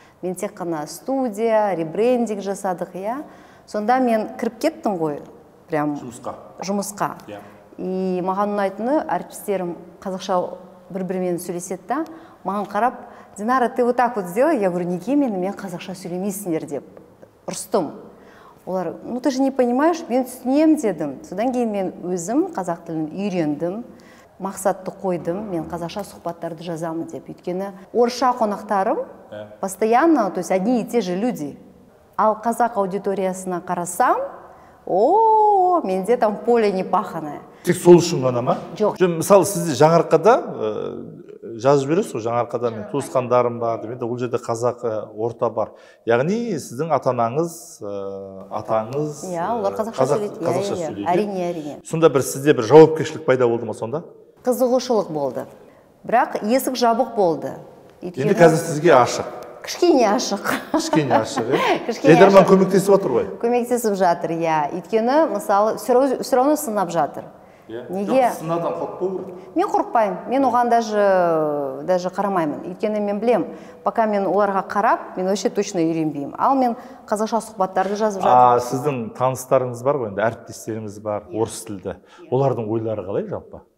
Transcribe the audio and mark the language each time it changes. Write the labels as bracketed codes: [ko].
[kk] Мен тек қана студия, ребрендинг жасадық, иә. Сонда мен кіріп кеттім ғой, прям жұмысқа. И маған ұнайтыны, әріптестерім қазақша бір-бірімен сөйлеседі да, маған қарап, Динара, [ru] ты вот так вот сделай, я говорю, [kk] неге мен қазақша сөйлемейсіңдер деп ұрыстым. [ru] Олар, ну ты же не понимаешь, [kk] мен түсінем дедім. Содан кейін мен өзім қазақ тілін үйрендім, мақсатты қойдым, мен қазақша сұхбаттарды жазамын деп. Өйткені орысша қонақтарым [ru] постоянно, то есть одни и те же люди. [kk] Ал қазақ аудиториясына қарасам, о-о-о, менде [ru] там поле не паханное. [kk] Тек сол үшін ғана ма? Жоқ. Жоқ, мысалы, сізде жаңарқада жазып жібересіз ғой, жаңарқада мен туысқандарым бар, менде ол жерде қазақ орта бар. Яғни сіздің ата-анаңыз, атаңыз қазақша сөйлейді. Әрине, әрине. Сонда бір сізде бір жауапкершілік пайда болды ма сонда? Қызығушылық болды. Бірақ есік жабық болды. Енді қазір сізге ашық. Кішкене ашық. Кішкене ашық, иә. Жайдарман көмектесіп отыр ғой. Көмектесіп жатыр, иә. Өйткені, мысалы, все равно сынап жатыр. Неге? Жоқ, сынадан қорықпау керек. Мен қорықпаймын. Мен оған даже қарамаймын. Өйткені мен білем, пока мен оларға қарап, мен вообще точно үйренбеймін. Ал мен қазақша сұхбаттарды жазып жатырмын. Сіздің таныстарыңыз бар ғой, енді әріптестеріңіз бар, орыс тілді. Олардың ойлары қалай жалпы?